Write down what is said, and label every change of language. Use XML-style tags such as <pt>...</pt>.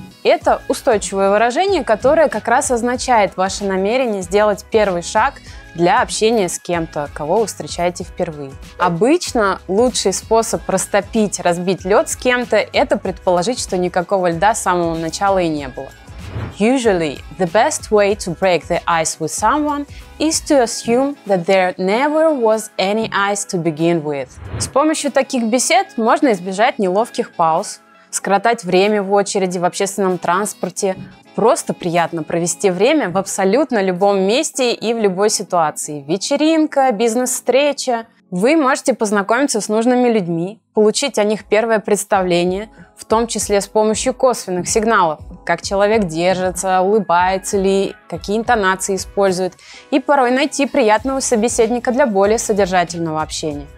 <ru>Это устойчивое выражение, которое как раз означает ваше намерение сделать первый шаг для общения с кем-то, кого вы встречаете впервые. Обычно лучший способ растопить, разбить лед с кем-то – это предположить, что никакого льда с самого начала и не было.</ru> <en>Usually, the best way to break the ice with someone is to assume that there never was any ice to begin with.</en> <ru>С помощью таких бесед можно избежать неловких пауз, скоротать время в очереди в общественном транспорте. Просто приятно провести время в абсолютно любом месте и в любой ситуации. Вечеринка, бизнес-встреча. Вы можете познакомиться с нужными людьми, получить о них первое представление, в том числе с помощью косвенных сигналов, как человек держится, улыбается ли, какие интонации использует, и порой найти приятного собеседника для более содержательного общения.</ru>